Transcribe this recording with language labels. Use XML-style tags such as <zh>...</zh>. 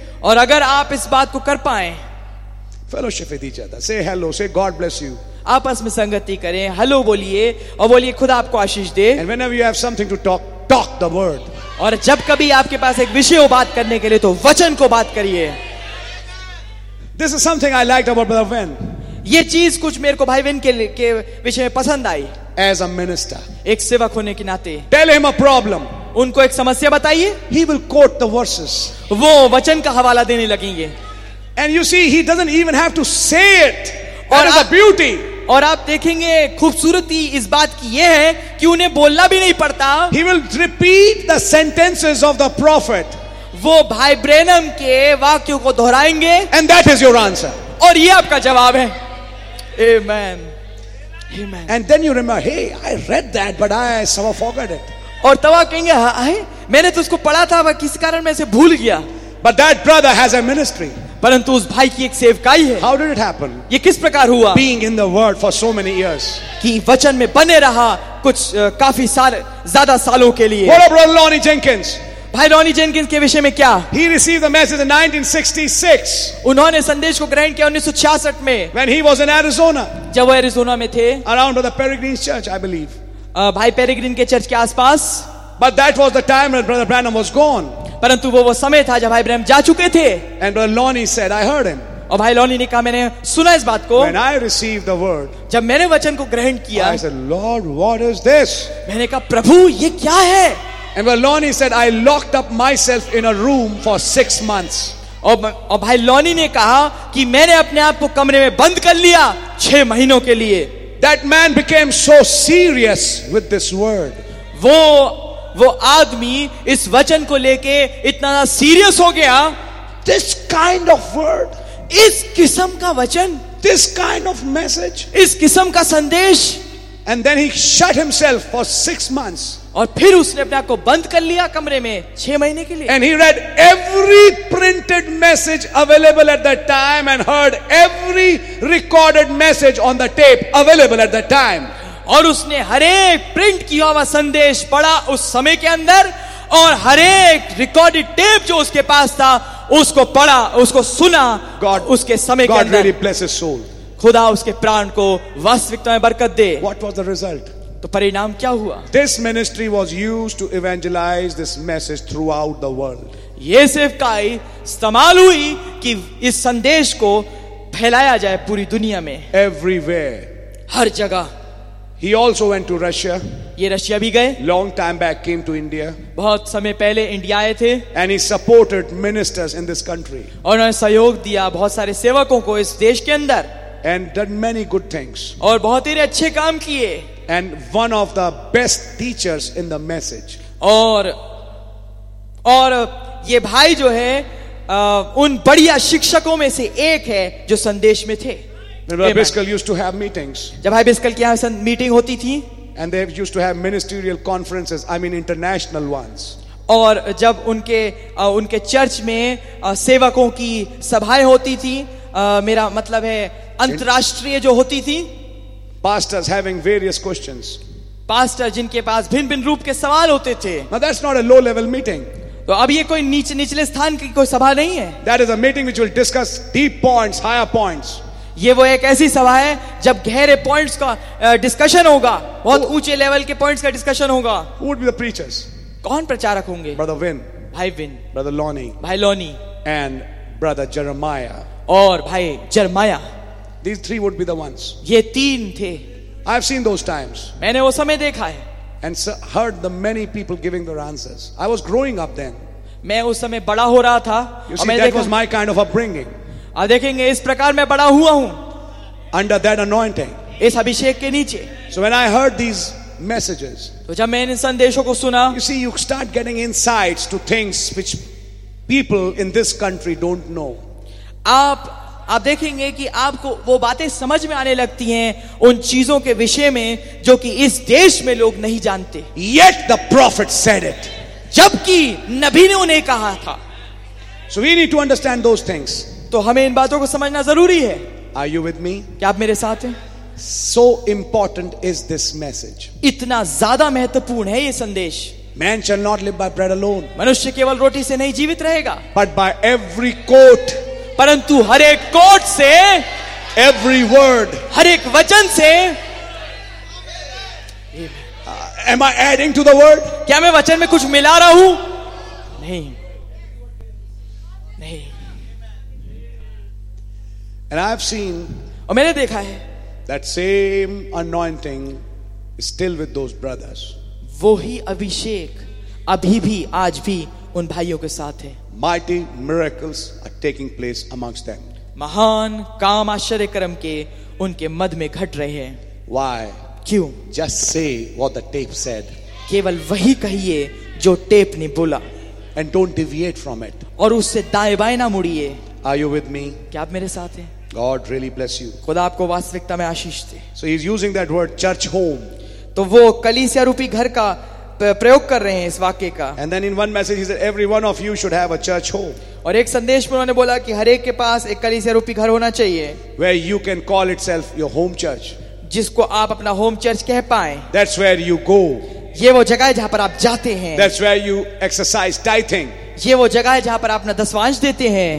<hi>और अगर आप इस बात को कर पाए</hi> <en>fellowship with each other से hello से god bless you</en> <hi>आपस में संगति करें हेलो बोलिए और बोलिए खुदा आपको आशीष दे</hi> <en>and whenever you have something to talk talk the word</en> <hi>और जब कभी आपके पास एक विषय हो बात करने के लिए तो वचन को बात करिए.</hi> <en>This is something I liked about Brother Vin.</en> <hi>ये चीज कुछ मेरे को भाई विन के विषय में पसंद आई.</hi> <en>As a minister.</en> <hi>एक सेवक होने के नाते.</hi> <en>Tell him a problem.</en> <hi>उनको एक समस्या बताइए.</hi> <en>He will quote the verses.</en> <hi>वो वचन का हवाला देने लगेंगे.</hi> <en>And you see, he doesn't even have to say it. That is a beauty.</en> <hi>और आप देखेंगे खूबसूरती इस बात की ये है कि उन्हें बोलना भी नहीं पड़ता.</hi> <en>He will repeat the sentences of the prophet.</en> <hi>वो भाई ब्रैनम के वाक्यों को दोहराएंगे.</hi> <en>And that is your answer.</en> <hi>और ये आपका जवाब है. Amen. Amen.</hi> <en>And then you remember, hey, I read that, but I somehow forgot it.</en> <hi>और तब आप कहेंगे, हाँ, मैंने तो उसको पढ़ा था, पर किस कारण मैं इसे भूल गया.</hi> <en>But that brother has a ministry.</en> <hi>परंतु उस भाई की एक सेवकाई है.</hi> <en>How did it happen?</en> <hi>ये किस प्रकार हुआ?</hi> <en>Being in the word for so many years.</en> <hi>कि वचन में बने रहा कुछ काफी साल, ज़्यादा सालों के लिए.</hi> <en>What about Lonnie Jenkins?</en> <hi>भाई लॉनी जेनकिंस के विषय में क्या?</hi> <en>He received the message in 1966.</en> <hi>उन्होंने संदेश को ग्रहण किया 1966 में.</hi> <en>When he was in Arizona.</en> <hi>जब वो एरिजोना में थे.</hi> <en>Around the Peregrine Church, I believe.</en> <hi>भाई पेरेग्रीन के चर्च के आसपास.</hi> <en>But that was the time when Brother Branham was gone.</en> <hi>परंतु वो समय था जब भाई ब्रैनम जा चुके थे.</hi> <en>And Brother Lonnie said, I heard him.</en> <hi>और भाई लॉनी ने कहा, मैंने सुना इस बात को.</hi> <en>When I received the word.</en> <hi>जब मैंने वचन को ग्रहण किया.</hi> <en>I said, Lord, what is this?</en> <hi>मैंने कहा, प्रभु ये क्या है?</hi> <en>And Brother Lonnie said, I locked up myself in a room for 6 months.</en> <hi>और भाई लॉनी ने कहा कि मैंने अपने आप को कमरे में बंद कर लिया 6 महीनों के लिए.</hi> <en>That man became so serious with this word.</en> <hi>वो आदमी इस वचन को लेके इतना सीरियस हो गया.</hi> <en>This kind of word.</en> <hi>इस किस्म का वचन.</hi> <en>This kind of message.</en> <hi>इस किस्म का संदेश.</hi> <en>And then he shut himself for 6 months.</en> <hi>और फिर उसने अपने आप को बंद कर लिया कमरे में 6 महीने के लिए.</hi> <en>And he read every printed message available at that time and heard every recorded message on the tape available at that time.</en> <hi>और उसने हरेक प्रिंट किया हुआ संदेश पढ़ा उस समय के अंदर और हरेक रिकॉर्डेड टेप जो उसके पास था उसको पढ़ा, उसको सुना.</hi> <en>God,</en> <hi>उसके समय</hi> <en>God</en> <hi>के अंदर.</hi> <en>God really bless his soul.</en> <hi>खुदा उसके प्राण को वास्तविकता में बरकत दे.</hi> <en>What was the result?</en> <hi>तो परिणाम क्या हुआ?</hi> <en>This ministry was used to evangelize this message throughout the world.</en> <hi>ये सेवकाई इस्तेमाल हुई कि इस संदेश को फैलाया जाए पूरी दुनिया में.</hi> <en>Everywhere.</en> <hi>हर जगह.</hi> <en>He also went to Russia.</en> <hi>ये रशिया भी गए.</hi> <en>Long time back came to India.</en> <hi>बहुत समय पहले इंडिया आए थे.</hi> <en>And he supported ministers in this country.</en> <hi>और उन्होंने सहयोग दिया बहुत सारे सेवकों को इस देश के अंदर.</hi> <en>And done many good things.</en> <hi>और बहुत ही अच्छे काम किए.</hi> <en>And one of the best teachers in the message.</en> <hi>और ये भाई जो है उन बढ़िया शिक्षकों में से एक है जो संदेश में थे.</hi> <en>Brother Biskal used to have meetings.</en> <hi>जब भाई बिस्कल के यहाँ मीटिंग होती थी.</hi> <en>And they used to have ministerial conferences. I mean international ones.</en> <hi>और जब उनके उनके चर्च में सेवकों की सभाएं होती थी, मेरा मतलब है अंतर्राष्ट्रीय जो होती थी.</hi> <en>Pastors having various questions.</en> <hi>Pastor जिनके पास भिन्न भिन्न रूप के सवाल होते थे.</hi> <en>Now that's not a low level meeting.</en> <hi>तो अब ये कोई निचले स्थान की कोई सभा नहीं है.</hi> <en>That is a meeting which will discuss deep points, higher points.</en> <hi>ये वो एक ऐसी सभा है जब गहरे पॉइंट्स का डिस्कशन होगा, बहुत ऊंचे लेवल के पॉइंट्स का डिस्कशन होगा.</hi> <en>Who would be the preachers?</en> <hi>कौन प्रचारक होंगे?</hi> <en>Brother Vin.</en> <hi>भाई विन.</hi> <en>Brother Lonnie.</en> <hi>भाई लॉनी.</hi> <en>And Brother Jeremiah.</en> <hi>और भाई Jeremiah.</hi> <en>These three would be the ones.</en> <hi>ये तीन थे.</hi> <en>I have seen those times.</en> <hi>मैंने वो समय देखा है.</hi> <en>And heard the many people giving their answers. I was growing up then.</en> <hi>मैं उस समय बड़ा हो रहा था.</hi> <en>You see, that was my kind of upbringing.</en> <hi>देखेंगे इस प्रकार मैं बड़ा हुआ हूं.</hi> <en>Under that anointing.</en> <hi>इस अभिषेक के नीचे.</hi> <en>So when I heard these messages.</en> <hi>तो जब मैंने इन संदेशों को सुना.</hi> <en>You see, you start getting insights to things which people in this country don't know.</en> <hi>आप देखेंगे कि आपको वो बातें समझ में आने लगती हैं उन चीजों के विषय में जो कि इस देश में लोग नहीं जानते.</hi> <en>Yet the prophet said it.</en> <hi>जबकि नबी ने उन्हें कहा था.</hi> <en>So we need to understand those things.</en> <hi>तो हमें इन बातों को समझना जरूरी है.</hi> <en>Are you with me?</en> <hi>क्या आप मेरे साथ हैं?</hi> <en>So important is this message.</en> <hi>इतना ज़्यादा महत्वपूर्ण है ये संदेश.</hi> <en>Man shall not live by bread alone.</en> <hi>मनुष्य केवल रोटी से नहीं जीवित रहेगा.</hi> <en>But by every quote.</en> <hi>परंतु हर एक कोट से.</hi> <en>Every word.</en> <hi>हर एक वचन से.</hi> <en>Am I adding to the word?</en> <hi>क्या मैं वचन में कुछ मिला रहा हूं? नहीं, नहीं.</hi> <en>And I've seen.</en> <hi>और मैंने देखा है.</hi> <en>That same anointing is still with those brothers.</en> <hi>वो ही अभिषेक अभी भी आज भी उन भाइयों के साथ है.</hi> <en>Mighty miracles are taking place amongst them.</en> <hi>महान काम आश्चर्य कर्म के उनके मध में घट रहे हैं.</hi> <en>Why?</en> <hi>क्यों?</hi> <en>Just say what the tape said.</en> <hi>केवल वही कहिए जो टेप ने बोला.</hi> <en>And don't deviate from it.</en> <hi>और उससे दाएं बाएं ना मुड़िए.</hi> <en>Are you with me?</en> <hi>क्या आप मेरे साथ हैं?</hi> <en>God really bless you.</en> <hi>खुदा आपको वास्तविकता में आशीष दे.</hi> <en>So he's using that word church home.</en> <hi>तो वो कलीसिया रूपी घर का प्रयोग कर रहे हैं इस वाक्य का.</hi> <en>And then in one message he said every one of you should have a church home.</en> <hi>और एक संदेश में उन्होंने बोला कि हर एक के पास एक कलीसिया रूपी घर होना चाहिए.</hi> <en>Where you can call itself your home church.</en> <hi>जिसको आप अपना होम चर्च कह पाए.</hi> <en>That's where you go.</en> <hi>ये वो जगह है जहाँ पर आप जाते हैं.</hi> <en>That's where you exercise tithing.</en> <hi>ये वो जगह है जहाँ पर आप अपना दशमांश देते हैं.</hi>